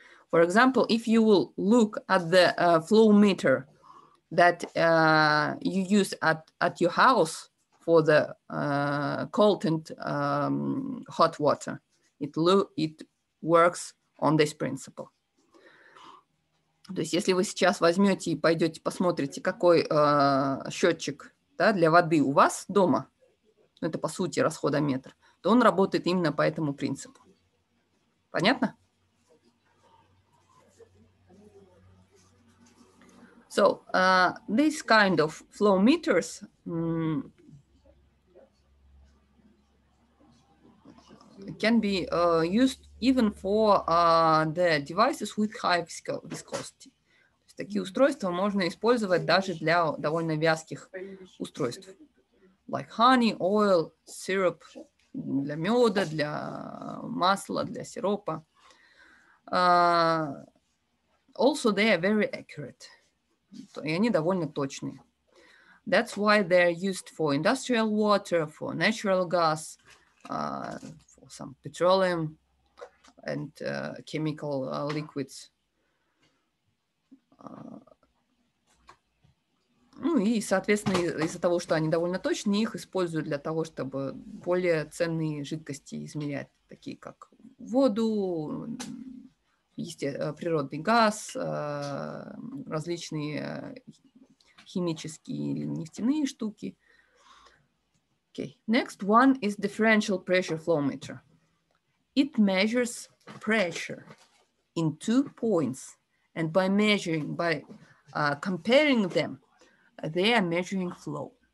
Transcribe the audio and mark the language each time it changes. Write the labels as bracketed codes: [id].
[en] For example, if you will look at the flow meter that you use at your house for the cold and hot water, it works on this principle. [ru] То есть, если вы сейчас возьмете и пойдете посмотрите, какой счетчик, да, для воды у вас дома, ну, это по сути расходометр, то он работает именно по этому принципу. Понятно? [en] So, these kind of flow meters can be used even for the devices with high viscosity. [ru] То есть, такие устройства можно использовать даже для довольно вязких устройств. [en] Like honey, oil, syrup, [ru] для меда, для масла, для сиропа. [en] Also, they are very accurate. [ru] И они довольно точные. [en] That's why they're used for industrial water, for natural gas, for some petroleum and chemical liquids. [ru] Ну и, соответственно, из-за того, что они довольно точные, их используют для того, чтобы более ценные жидкости измерять, такие как воду, природный газ, различные химические или нефтяные штуки. [en] Okay. Next one is differential pressure flow meter. It measures pressure in two points, and by measuring, by comparing them, they are measuring flow.